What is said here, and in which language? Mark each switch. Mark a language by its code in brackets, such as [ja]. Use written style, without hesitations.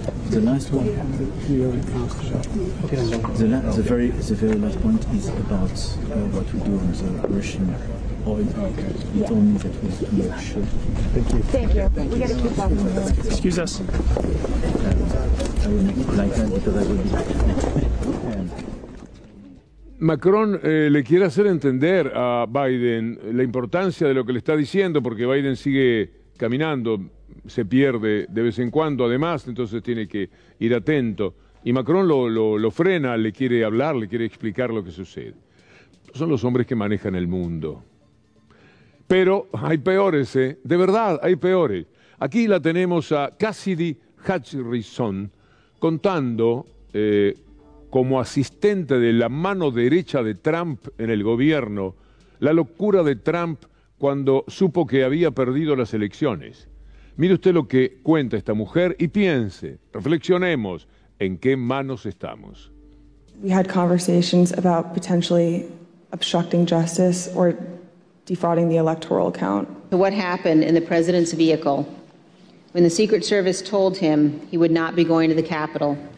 [en] The last one, the very last point is about what we do on the Russian oil. You told me that we have to make sure. Thank you. We got to keep talking. Excuse us. I will make it like that because I will be. [es] Macron le quiere hacer entender a Biden la importancia de lo que le está diciendo, porque Biden sigue caminando, se pierde de vez en cuando, además, entonces tiene que ir atento. Y Macron lo frena, le quiere hablar, le quiere explicar lo que sucede. Son los hombres que manejan el mundo. Pero hay peores, ¿eh? De verdad, hay peores. Aquí la tenemos a Cassidy Hutchinson contando como asistente de la mano derecha de Trump en el gobierno, la locura de Trump cuando supo que había perdido las elecciones. Mire usted lo que cuenta esta mujer y piense, reflexionemos en qué manos estamos. [en] We had conversations about potentially obstructing justice or defrauding the electoral count. What happened in the president's vehicle when the Secret Service told him he would not be going to the Capitol?